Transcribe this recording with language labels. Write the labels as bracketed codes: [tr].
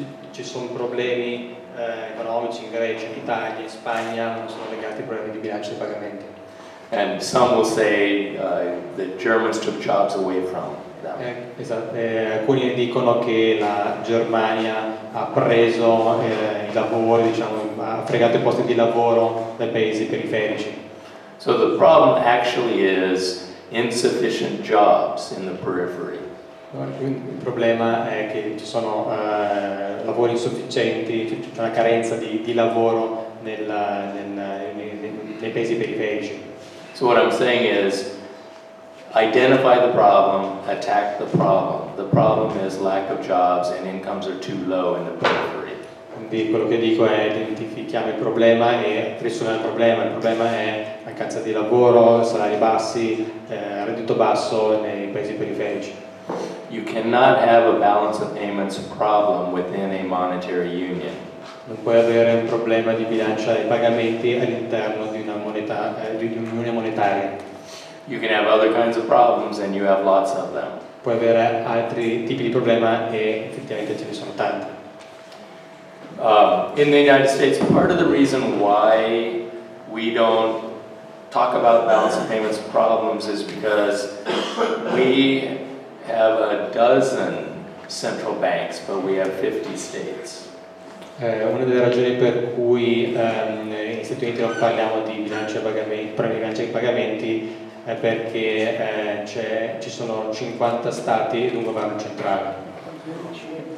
[it] Ci sono problemi economici in Grecia, in Italia, in Spagna, non sono legati ai problemi di bilancio dei pagamenti. [en] And some will say the Germans took jobs away from them. [it] Alcuni dicono che la Germania ha preso i lavori, diciamo, ha fregato i posti di lavoro dai paesi periferici. [en] So the problem actually is insufficient jobs in the periphery. [it] Il problema è che ci sono lavori insufficienti, c'è una carenza di lavoro nei paesi periferici. [en] So what I'm saying is identify the problem, attack the problem. The problem is lack of jobs and incomes are too low in the periphery. [it] Quindi quello che dico è identifichiamo il problema e risolviamo il problema è mancanza di lavoro, salari bassi, reddito basso nei paesi periferici. [en] You cannot have a balance of payments problem within a monetary union. [it] Non puoi avere un problema di bilancio dei pagamenti all'interno di una moneta, di un'unione monetaria. [en] You can have other kinds of problems and you have lots of them. [it] Puoi avere altri tipi di problema e effettivamente ce ne sono tanti. [en] In the United States, part of the reason why we don't talk about balance of payments problems is because we have a dozen central banks, but we have 50 states. [it] Una delle ragioni per cui in Stati Uniti non parliamo di bilancio di pagamenti è perché ci sono 50 stati ed un governo centrale.